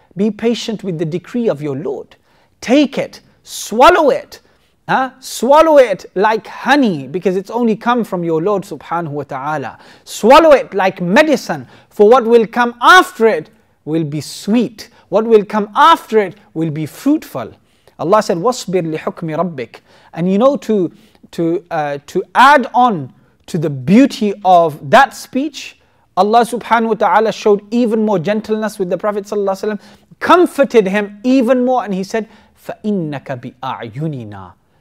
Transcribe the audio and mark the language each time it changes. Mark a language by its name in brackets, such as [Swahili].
[English] Be patient with the decree of your Lord. Take it, swallow it. Swallow it like honey, because it's only come from your Lord subhanahu wa ta'ala. Swallow it like medicine, for what will come after it will be sweet. What will come after it will be fruitful. Allah said, [Arabic] وَاصْبِرْ لِحُكْمِ رَبِّكَ. [English] And you know, to add on to the beauty of that speech, Allah subhanahu wa ta'ala showed even more gentleness with the Prophet sallallahu alaihi wasallam, comforted him even more, and he said, [Arabic] فَإِنَّكَ بِأَعْيُنِنَا.